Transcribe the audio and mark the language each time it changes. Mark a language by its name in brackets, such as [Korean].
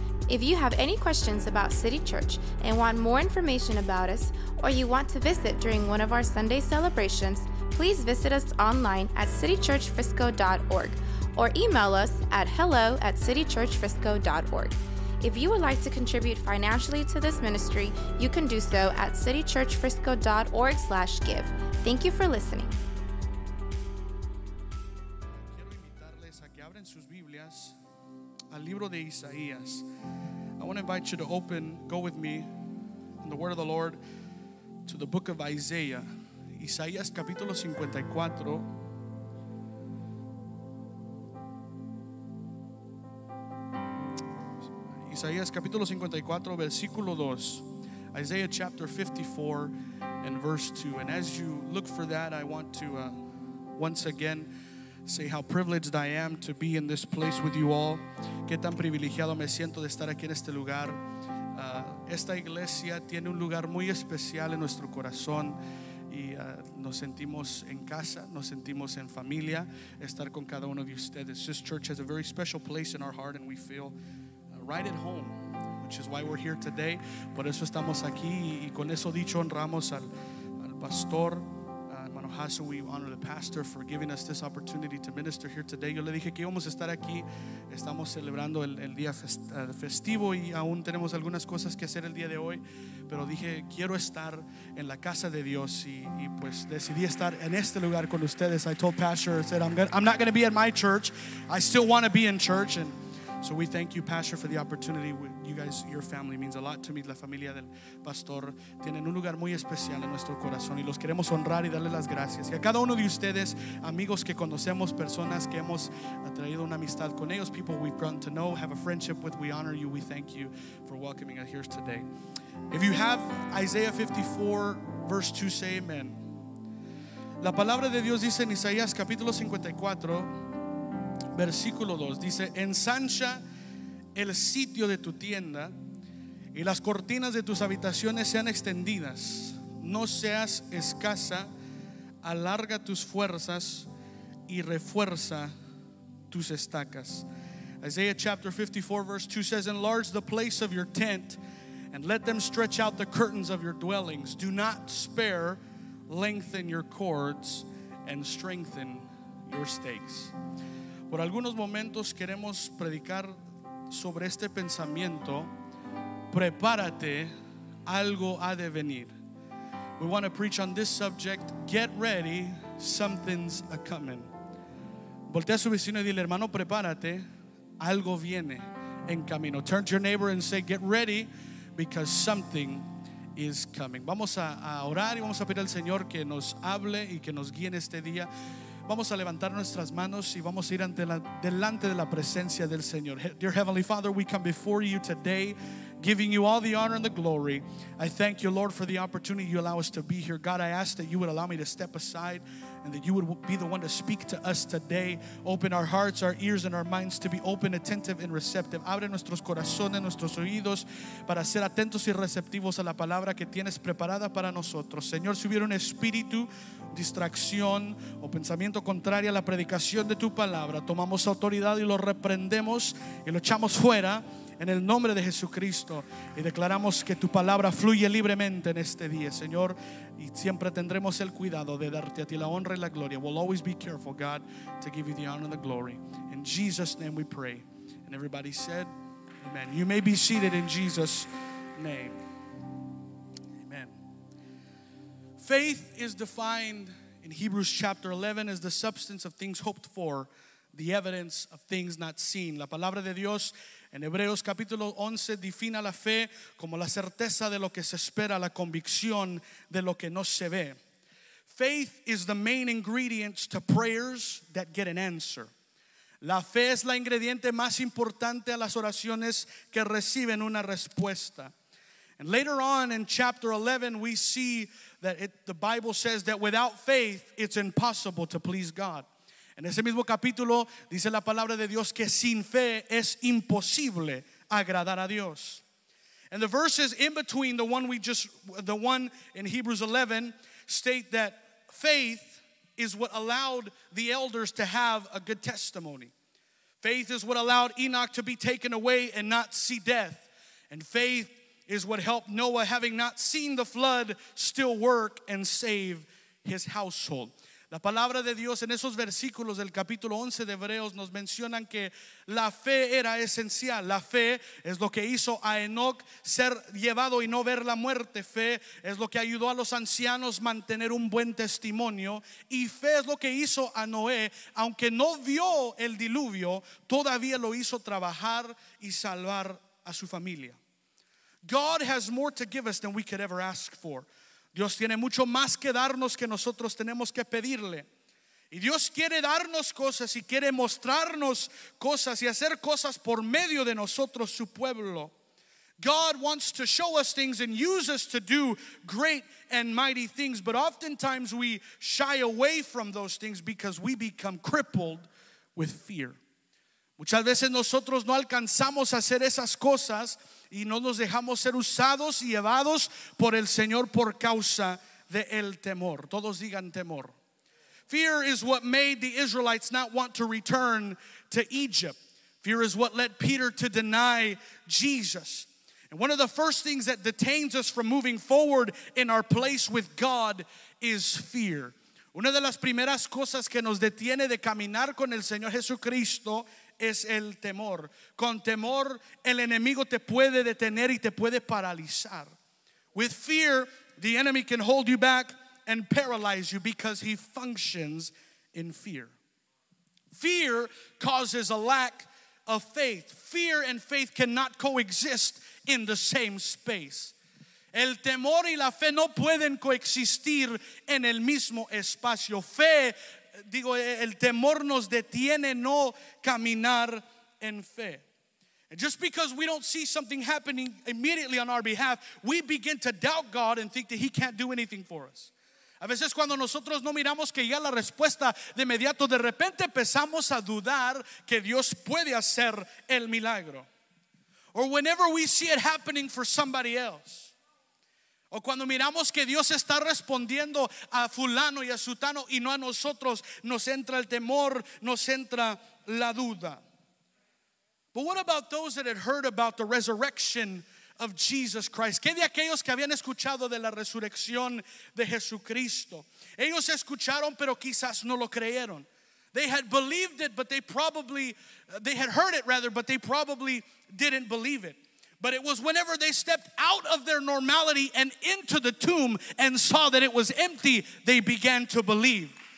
[English] If you have any questions about City Church and want more information about us, or you want to visit during one of our Sunday celebrations, please visit us online at citychurchfrisco.org or email us at hello@citychurchfrisco.org. If you would like to contribute financially to this ministry, you can do so at citychurchfrisco.org/give. Thank you for listening. [Spanish] Quiero invitarles a que abren sus Biblias al libro de Isaías. [English] I want to invite you to open, go with me, in the word of the Lord, to the book of Isaiah. [Spanish] Isaías capítulo 54. Isaías capítulo 54, versículo 2. [English] Isaiah chapter 54 and verse 2. And as you look for that, I want to once again say how privileged I am to be in this place with you all. [Spanish] Qué tan privilegiado me siento de estar aquí en este lugar. Esta iglesia tiene un lugar muy especial en nuestro corazón. Nos sentimos en casa, nos sentimos en familia, estar con cada uno de ustedes. [English] This church has a very special place in our heart and we feel right at home, which is why we're here today. [Spanish] Por eso estamos aquí y con eso dicho honramos al pastor. [English] Hermano, we honor the pastor for giving us this opportunity to minister here today. [Spanish] Yo le dije que íbamos a estar aquí. Estamos celebrando el día festivo y aún tenemos algunas cosas que hacer el día de hoy. Pero dije, quiero estar en la casa de Dios y pues decidí estar en este lugar con ustedes. [English] I told pastor, I said, I'm not going to be at my church. I still want to be in church. And so we thank you, pastor, for the opportunity. You guys, your family means a lot to me. [Spanish] La familia del pastor tienen un lugar muy especial en nuestro corazón y los queremos honrar y darle las gracias. Y a cada uno de ustedes, amigos que conocemos, personas que hemos traído una amistad con ellos, [English] people we've grown to know, have a friendship with, we honor you. We thank you for welcoming us here today. If you have Isaiah 54, verse 2, say amen. [Spanish] La palabra de Dios dice en Isaías capítulo 54, versículo 2, dice, ensancha el sitio de tu tienda y las cortinas de tus habitaciones sean extendidas. No seas escasa, alarga tus fuerzas y refuerza tus estacas. [English] Isaiah chapter 54 verse 2 says, enlarge the place of your tent and let them stretch out the curtains of your dwellings. Do not spare, lengthen your cords and strengthen your stakes. [Spanish] Por algunos momentos queremos predicar sobre este pensamiento, prepárate, algo ha de venir. [English] We want to preach on this subject, get ready, something's a coming. [Spanish] Voltea a su vecino y dile, hermano, prepárate, algo viene en camino. [English] Turn to your neighbor and say, get ready, because something is coming. [Spanish] Vamos a orar y vamos a pedir al Señor que nos hable y que nos guíe en este día. Vamos a levantar nuestras manos y vamos a ir delante de la presencia del Señor. [English] Dear Heavenly Father, we come before you today, giving you all the honor and the glory. I thank you, Lord, for the opportunity you allow us to be here. God, I ask that you would allow me to step aside and that you would be the one to speak to us today. Open our hearts, our ears, and our minds to be open, attentive, and receptive. [Spanish] Abre nuestros corazones, nuestros oídos, para ser atentos y receptivos a la palabra que tienes preparada para nosotros. Señor, si hubiera un espíritu, distracción o pensamiento contrario a la predicación de tu palabra, tomamos autoridad y lo reprendemos y lo echamos fuera en el nombre de Jesucristo y declaramos que tu palabra fluye libremente en este día, Señor, y siempre tendremos el cuidado de darte a ti la honra y la gloria. [English] We'll always be careful, God, to give you the honor and the glory. In Jesus' name we pray. And everybody said, amen. You may be seated in Jesus' name. Faith is defined in Hebrews chapter 11 as the substance of things hoped for, the evidence of things not seen. [Spanish] La palabra de Dios en Hebreos capítulo 11 define a la fe como la certeza de lo que se espera, la convicción de lo que no se ve. [English] Faith is the main ingredient to prayers that get an answer. [Spanish] La fe es la ingrediente más importante a las oraciones que reciben una respuesta. [English] And later on in chapter 11, we see that the Bible says that without faith, it's impossible to please God. [Spanish] En ese mismo capítulo, dice la palabra de Dios que sin fe es imposible agradar a Dios. [English] And the verses in between the one we just, the one in Hebrews 11, state that faith is what allowed the elders to have a good testimony. Faith is what allowed Enoch to be taken away and not see death. And faith is what helped Noah, having not seen the flood, still work and save his household. [Spanish] La palabra de Dios en esos versículos del capítulo 11 de Hebreos nos mencionan que la fe era esencial. La fe es lo que hizo a Enoch ser llevado y no ver la muerte. Fe es lo que ayudó a los ancianos mantener un buen testimonio. Y fe es lo que hizo a Noé, aunque no vio el diluvio, todavía lo hizo trabajar y salvar a su familia. [English] God has more to give us than we could ever ask for. [Spanish] Dios tiene mucho más que darnos que nosotros tenemos que pedirle. Y Dios quiere darnos cosas y quiere mostrarnos cosas y hacer cosas por medio de nosotros, su pueblo. [English] God wants to show us things and use us to do great and mighty things, but oftentimes we shy away from those things because we become crippled with fear. [Spanish] Muchas veces nosotros no alcanzamos a hacer esas cosas y no nos dejamos ser usados y llevados por el Señor por causa del temor. Todos digan temor. [English] Fear is what made the Israelites not want to return to Egypt. Fear is what led Peter to deny Jesus. And one of the first things that detains us from moving forward in our place with God is fear. [Spanish] Una de las primeras cosas que nos detiene de caminar con el Señor Jesucristo es el temor. Con temor, el enemigo te puede detener y te puede paralizar. [English] With fear, the enemy can hold you back and paralyze you because he functions in fear. Fear causes a lack of faith. Fear and faith cannot coexist in the same space. [Spanish] El temor y la fe no pueden coexistir en el mismo espacio. Fe, digo, el temor nos detiene no caminar en fe. [English] And just because we don't see something happening immediately on our behalf, we begin to doubt God and think that he can't do anything for us. [Spanish] A veces cuando nosotros no miramos que ya la respuesta de inmediato, de repente empezamos a dudar que Dios puede hacer el milagro. [English] Or whenever we see it happening for somebody else. [Spanish] O cuando miramos que Dios está respondiendo a fulano y a sutano y no a nosotros, nos entra el temor, nos entra la duda. [English] But what about those that had heard about the resurrection of Jesus Christ? [Spanish] ¿Qué de aquellos que habían escuchado de la resurrección de Jesucristo? Ellos escucharon, pero quizás no lo creyeron. [English] They had believed it, but they had heard it, but they probably didn't believe it. But it was whenever they stepped out of their normality and into the tomb and saw that it was empty, they began to believe.